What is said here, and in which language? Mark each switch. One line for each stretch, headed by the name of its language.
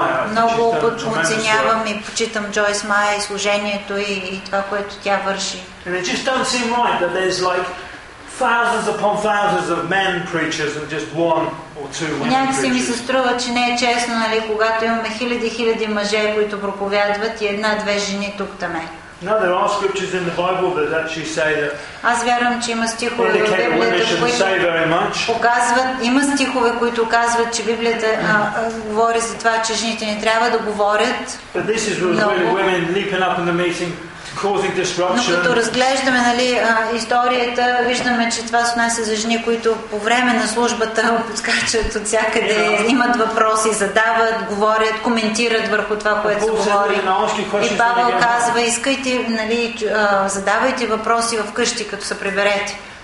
Bulgarian: Много оценявам и почитам Джойс Майер и служението и това, което тя върши.
English: And it just doesn't seem right that there's like thousands upon thousands of men preachers and just one or two women.
Bulgarian: Някакси ми се струва, че не е честно, нали, когато имаме хиляди хиляди мъже, които проповядват, и една-две жени тук таме.
English: No, there are scriptures in the Bible that actually say that.
Bulgarian: Аз вярвам, че има стихове в Библията, има стихове, които казват, че Библията говори за това, че жените не трябва да говорят.
English: But this is where really women leaping up in the meeting, causing disruption.
Bulgarian: Но като разглеждаме, нали, историята, виждаме, че това са нас за жени, които по време на службата подскачат от всякъде, имат въпроси, задават, говорят, коментират върху това, което се говори. И Павел казва: искайте, нали, задавайте въпроси вкъщи, като се приберете.